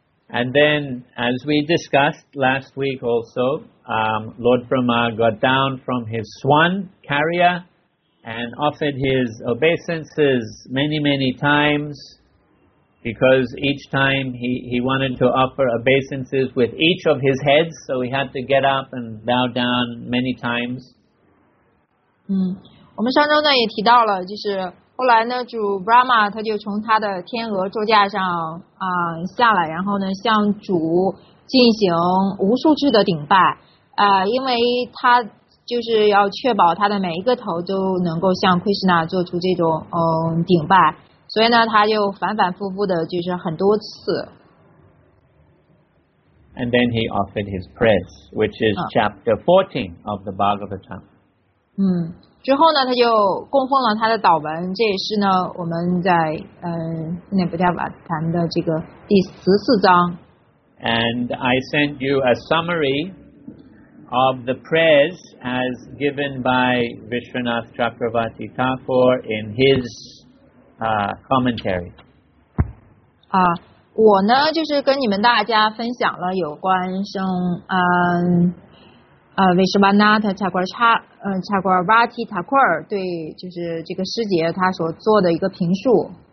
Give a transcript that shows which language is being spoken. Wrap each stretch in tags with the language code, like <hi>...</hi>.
<en>And then, as we discussed last week also, Lord Brahma got down from his swan carrier and offered his obeisances many, many times because each time he wanted to offer obeisances with each of his heads, so he had to get up and bow down many times.</en> <zh>我们上周呢也提到了，就是后来呢，主 Brahma 他就从他的天鹅座驾上下来，然后呢向主进行无数次的顶拜，因为他就是要确保他的每一个头都能够向 Krishna 做出这种顶拜，所以呢他就反反复复的就是很多次。</zh> <en>And then he offered his prayers, which is chapter 14 of the Bhagavatam.</en> <zh>之后呢，他就供奉了他的祷文，这也是呢我们在那不叫瓦坛的这个第十四章。</zh> <en>And I sent you a summary of the prayers as given by Vishwanath Chakravarti Thakur in his commentary.</en> <zh>我呢就是跟你们大家分享了有关圣Vishwanath Chakravarti Thakur 对就是这个师姐他所做的一个评述。</zh>